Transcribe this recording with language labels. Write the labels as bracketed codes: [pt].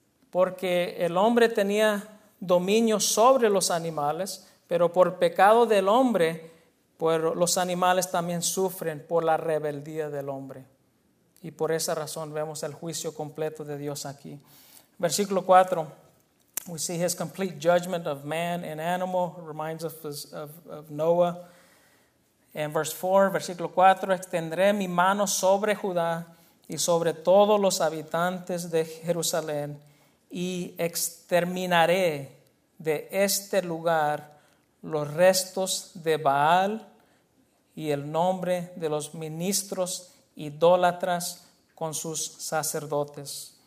[es] Porque el hombre tenía dominio sobre los animales, pero por pecado del hombre, pues los animales también sufren por la rebeldía del hombre. Y por esa razón vemos el juicio completo de Dios aquí. Versículo 4, [en] we see his complete judgment of man and animal, reminds us of Noah. [es] En versículo 4, extenderé mi mano sobre Judá y sobre todos los habitantes de Jerusalén, y exterminaré de este lugar los restos de Baal y el nombre de los ministros idólatras con sus sacerdotes.